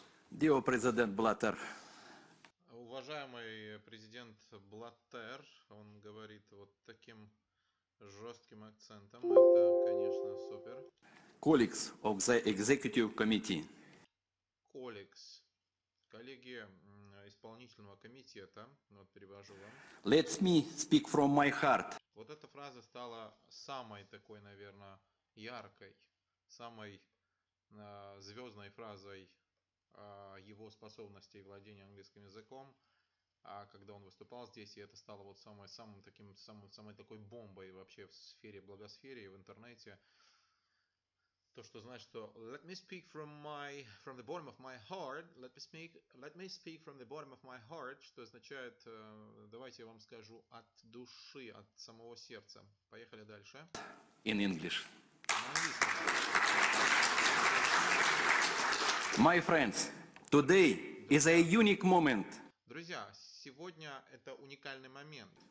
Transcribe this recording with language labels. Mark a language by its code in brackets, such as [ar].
[en] Дио президент Блаттер. [ru] Уважаемый президент Блаттер, он говорит вот таким жестким акцентом. Это, конечно, супер. [en] Colleagues of the Executive Committee. Colleagues. [ru] Коллеги исполнительного комитета, вот перевожу вам. [en] Let me speak from my heart. [ru] Вот эта фраза стала самой такой, наверное, яркой, самой звездной фразой его способностей владения английским языком, когда он выступал здесь, и это стало вот самой такой бомбой вообще в сфере благосферы и в интернете. То, что значит, что [en] let me speak from my from the bottom of my heart, [ru] let me speak from the bottom of my heart, что означает, давайте я вам скажу от души, от самого сердца. Поехали дальше. [en] In English. My friends, today is a unique moment. [ru] Друзья, сегодня это уникальный момент.